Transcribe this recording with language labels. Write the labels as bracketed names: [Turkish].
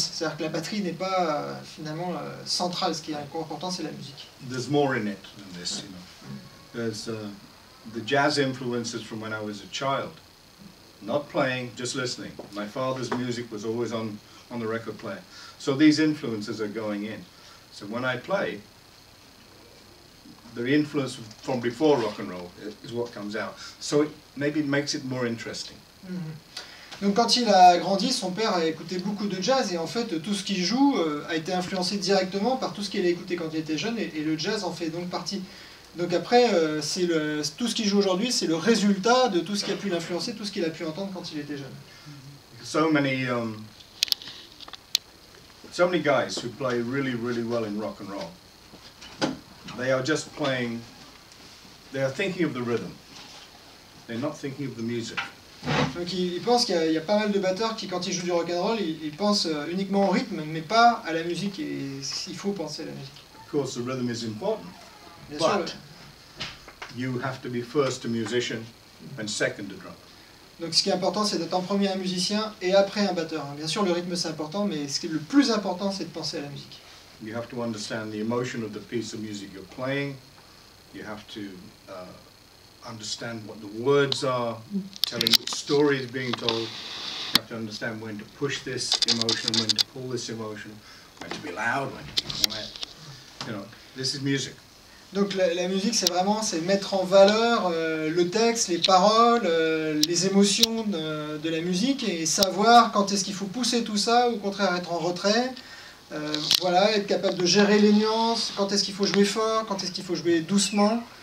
[French] C'est-à-dire que la batterie n'est pas finalement centrale. Ce qui est important, c'est la musique. [English] There's more in it than this, you know. There's the jazz influences from when I was a child. Not playing, just listening. My father's music was always on the record player. So these influences are going in. So when I play, the influence from before rock and roll is what comes out. So it, maybe it makes it more interesting. Mm-hmm. [French] Donc quand il a grandi, son père a écouté beaucoup de jazz et en fait tout ce qu'il joue a été influencé directement par tout ce qu'il a écouté quand il était jeune et le jazz en fait donc partie. Donc après, tout ce qu'il joue aujourd'hui, c'est le résultat de tout ce qui a pu l'influencer, tout ce qu'il a pu entendre quand il était jeune. [English] So many, so many guys who play really, really well in rock and roll. They are just playing. They are thinking of the rhythm. They're not thinking of the music. [French] Donc il pense qu'il y a pas mal de batteurs qui, quand ils jouent du rock and roll, ils pensent uniquement au rythme, mais pas à la musique. Et il faut penser à la musique. [English] Of course, the rhythm is important. [French] Bien [English] but [French] sûr, [English] you have to be first a musician and second a drummer. [French] Donc ce qui est important, c'est d'être en premier un musicien et après un batteur. Bien sûr, le rythme c'est important, mais ce qui est le plus important, c'est de penser à la musique. [English] You have to understand the emotion of the piece of music you're playing. You have to understand what the words are, telling what story is being told. You have to understand when to push this emotion, when to pull this emotion, when to be loud, when to be quiet. You know, this is music. [French] Donc la musique, c'est vraiment c'est mettre en valeur le texte, les paroles, les émotions de la musique et savoir quand est-ce qu'il faut pousser tout ça, ou au contraire être en retrait. Voilà, être capable de gérer les nuances, quand est-ce qu'il faut jouer fort, quand est-ce qu'il faut jouer doucement.